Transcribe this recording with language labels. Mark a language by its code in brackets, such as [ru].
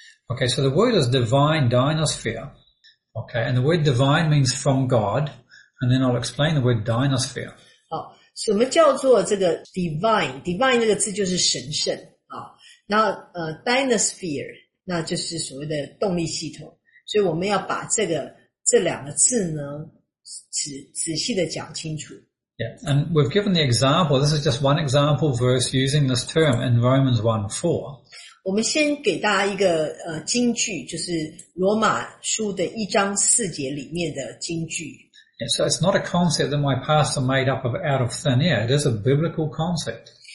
[en] Okay, so the word is divine dynasphere. Okay, and the word divine means from God, and then I'll explain the word dynasphere. [zh] 好，什么叫做这个 divine? Divine 这个字就是神圣啊。然后dynasphere 那就是所谓的动力系统。所以我们要把这个这两个字呢仔细的讲清楚。Yeah, [en] and we've given the example. This is just one example verse using this term in Romans 1:4. [zh] 我们先给大家一个金句，就是罗马书的1:4里面的金句。Yeah, [en] so it's not a concept that my pastor made up of out of thin air. It is a biblical concept.